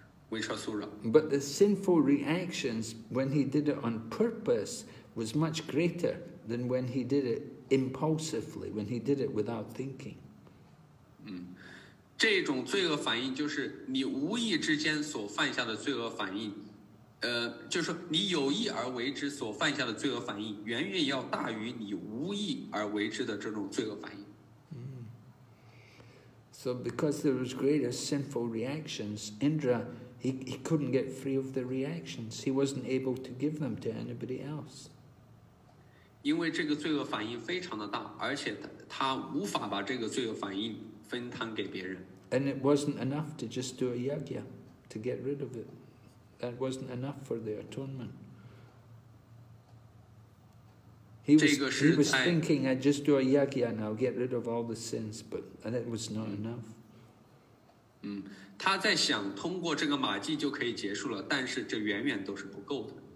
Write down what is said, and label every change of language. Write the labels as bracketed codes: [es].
[en] But the sinful reactions, when he did it on purpose, was much greater than when he did itimpulsively, when he did it without thinking. [zh] 这种罪恶反应就是你无意之间所犯下的罪恶反应，就是你有意而为之所犯下的罪恶反应远远要大于你无意而为之的这种罪恶反应。 [en] So because there was greater sinful reactions, Indra, he couldn't get free of the reactions. He wasn't able to give them to anybody else. [zh] 因为这个罪恶反应非常的大，而且 他无法把这个罪恶反应分摊给别人。 [en] And it wasn't enough to just do a yajna to get rid of it. That wasn't enough for the atonement. He was thinking, I just do a yajna and I'll get rid of all the sins, but that was not enough. [zh] 他在想通过这个马迹就可以结束了，但是这远远都是不够的。